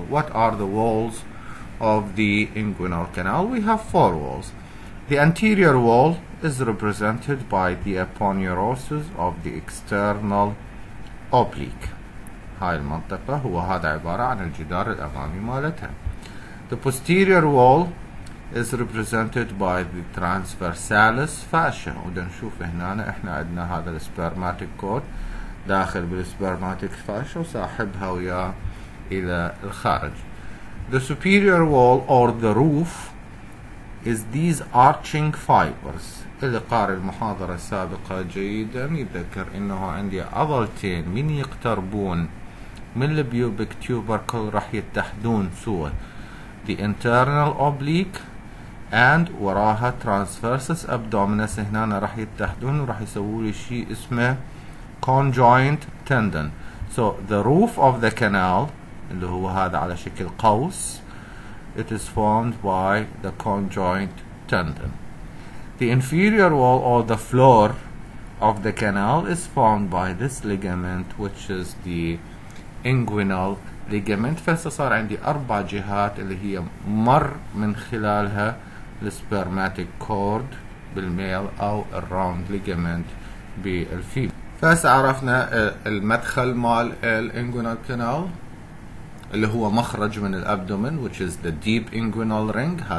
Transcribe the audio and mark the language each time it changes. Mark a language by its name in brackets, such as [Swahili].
[English] What are the walls of the inguinal canal? We have four walls. The anterior wall is represented by the aponeurosis of the external oblique. [Arabic] هاي المنطقة هو هذا عبارة عن الجدار الأمامي مالتها. [English] The posterior wall is represented by the transversalis fascia. [Arabic] ودنشوف هنا احنا عندنا هذا السبرماتيك كورد داخل بالسبرماتيك فاشا وساحبها ويا الى الخارج. [English] The superior wall or the roof is these arching fibers. [Arabic] اللي قاري المحاضرة السابقة جيدا يذكر انه عندي عضلتين من يقتربون من البيوبك تيوبركل راح يتحدون سوى [English] the internal oblique and [Arabic] وراها [English] transversus abdominis. [Arabic] هنا راح يتحدون وراح يسووا لي شيء اسمه conjoint tendon. [English] So the roof of the canal [Arabic] اللي هو هذا على شكل قوس [English] it is formed by the conjoint tendon. The inferior wall or the floor of the canal is formed by this ligament which is the inguinal ligament. [Arabic] فصار عندي اربع جهات اللي هي مر من خلالها السبرماتيك كورد بالميل او الراوند ليجمنت بالفيم. فهسه عرفنا المدخل مال الانجوينال كانال اللي هو مخرج من الابدومن [English] which is the deep inguinal ring.